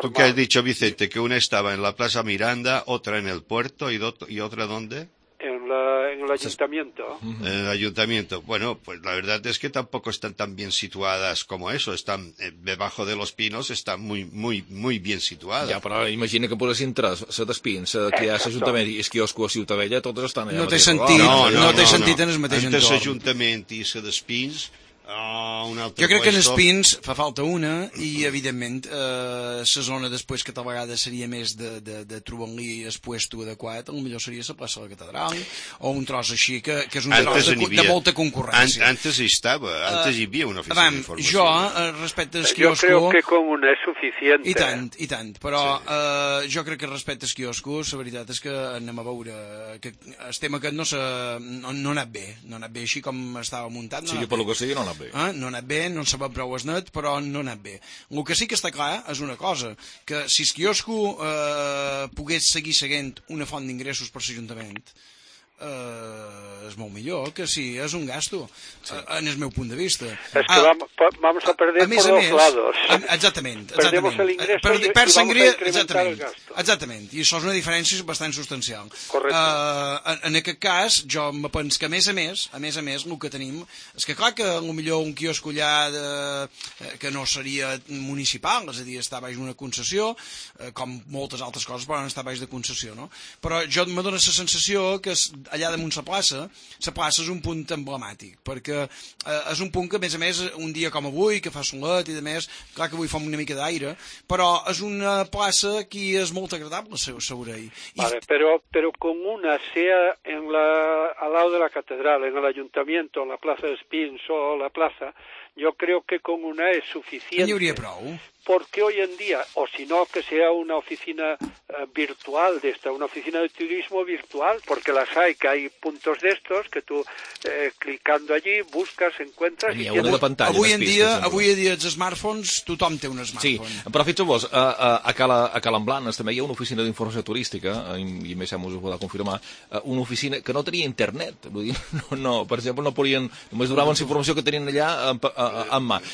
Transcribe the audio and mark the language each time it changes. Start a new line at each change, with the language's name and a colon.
Spanish: ¿Tú qué has dicho, Vicente? Que una estaba en la Plaza Miranda, otra en el puerto y otra ¿dónde? En el ayuntamiento. Bueno, pues la verdad es que tampoco están tan bien situadas como eso. Están debajo de los pinos, están muy, muy, muy bien situadas.
Catalan: Ja, però imagina que posessin tres, set espins, que hi ha l'Ajuntament i el quiosco a Ciutadella, totes estan allà. No té sentit, no té sentit en el mateix entorn. Entre l'Ajuntament i set espins, un altre lloc. Jo crec que en espins fa falta una i, evidentment, la zona després que tal vegada seria més de trobar-li el puesto adequat, potser seria la plaça de la Catedral o un tros així, que és un tros de molta concurrència. Antes hi havia una oficina d'informació. Jo, respecte al quiosco... Jo crec que com una és suficient. I tant. Però sí. Jo crec que respecte al quiosco, la veritat és que anem a veure que el tema aquest no ha anat bé. No ha anat bé així com estava muntat. Sí, pel que sigui, no ha anat bé. No ha anat bé, no en sabem prou es net, però no ha anat bé. El que sí que està clar és una cosa, que si el quiosco pogués seguir seguint una font d'ingressos per l'Ajuntament, és molt millor que si és un gasto, sí. En el meu punt de vista. És que
Spanish: vamos a perder por dos lados.
Catalan: Exactament.
Spanish: Perdemos el ingreso y vamos a incrementar el gasto.
Catalan: Exactament, i això és una diferència bastant substancial. Correcte. En aquest cas, jo em penso que a més a més, el que tenim, és que clar que potser un quiosco allà que no seria municipal, és a dir, està baix d'una concessió, com moltes altres coses, però no està baix de concessió, no? Però jo em dono la sensació que allà damunt la plaça és un punt emblemàtic, perquè és un punt que, a més, un dia com avui, que fa solet i de més, clar que avui fa una mica d'aire, però és una plaça que és molt agradable, segurament. Vale, però com una
Spanish: sea en la, al lado de la catedral,
Catalan: en l'ajuntament, en la plaça d'Espins o la plaça, jo crec que com una és suficient. N'hi hauria prou.
Spanish: Porque hoy en día, o si no, que sea una oficina virtual de esta, una oficina de turismo virtual, porque las hay, que hay puntos de estos que tú, clicando allí, buscas, encuentras...
Catalan: Hi ha una de pantalla. Avui en dia, els smartphones, tothom té un smartphone. Sí, però fixeu-vos, a Calamblanes també hi ha una oficina d'informació turística, i més us ho podeu confirmar, una oficina que no tenia internet. Vull dir, no, per exemple, no podien, només donaven la informació que tenien allà en mà.